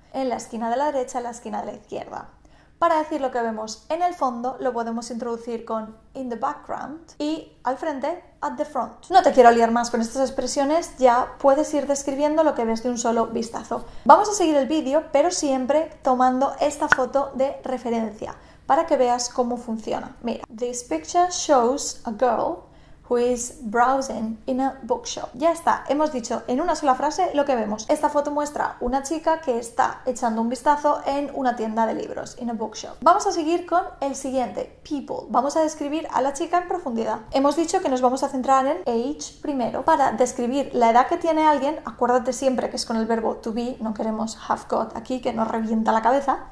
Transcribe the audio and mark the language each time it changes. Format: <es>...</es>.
<es>En la esquina de la derecha, en la esquina de la izquierda. Para decir lo que vemos en el fondo lo podemos introducir con</es> <en>in the background</en> <es>y al frente</es> <en>at the front.</en> <es>No te quiero liar más con estas expresiones, ya puedes ir describiendo lo que ves de un solo vistazo. Vamos a seguir el vídeo, pero siempre tomando esta foto de referencia para que veas cómo funciona. Mira,</es> <en>this picture shows a girl who is browsing in a bookshop.</en> <es>Ya está, hemos dicho en una sola frase lo que vemos. Esta foto muestra una chica que está echando un vistazo en una tienda de libros,</es> <en>in a bookshop.</en> <es>Vamos a seguir con el siguiente, people. Vamos a describir a la chica en profundidad. Hemos dicho que nos vamos a centrar en age primero. Para describir la edad que tiene alguien, acuérdate siempre que es con el verbo to be, no queremos have got aquí, que nos revienta la cabeza.</es>